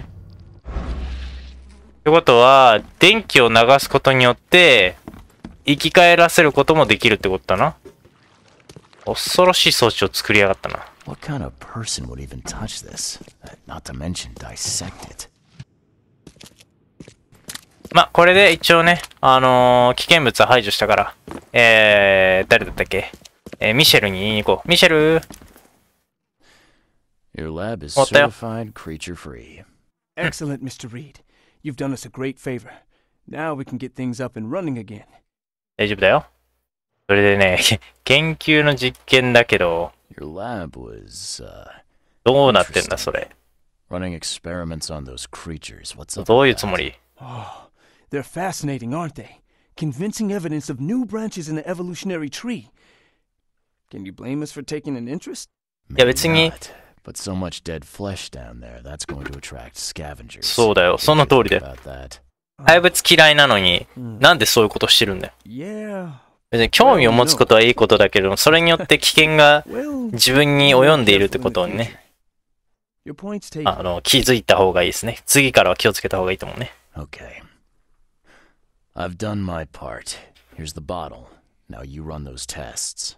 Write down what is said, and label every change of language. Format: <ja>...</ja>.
<ja>ってことは、電気を流すことによって、生き返らせることもできるってことだな。恐ろしい装置を作りやがったな。</ja> <en>What kind of person would even touch this? Not to mention dissect it.</en> <ja>まあ、これで一応ね、危険物は排除したから、誰だったっけ、ミシェルに言いに行こう。ミシェル</ja> <en>!Your lab is certified creature free. Excellent, Mr. Reed. You've done us a great favor. Now we can get things up and running again.</en> <ja>大丈夫だよ。それでね、研究の実験だけど、</ja> <en>Your lab was,</en> <ja>どうなってんだそれ。</ja> <en>Running experiments on those creatures. What's</en> <ja>どういうつもり？</ja> <en>Oh, they're fascinating, aren't they? Convincing evidence of new branches in the evolutionary tree. Can you blame us for taking an interest?</en> <ja>いや別に。</ja> <en>But so much dead flesh down there, that's going to attract scavengers.</en> <ja>そうだよ、その通りで。怪物嫌いなのに、なんでそういうことしてるんだよ。</ja> <en>Yeah.</en> <ja>興味を持つことはいいことだけれども、それによって危険が自分に及んでいるってことにね、気づいた方がいいですね。次からは気をつけた方がいいと思うね。</ja> <en>Okay. I've done my part. Here's the bottle. Now you run those tests.</en>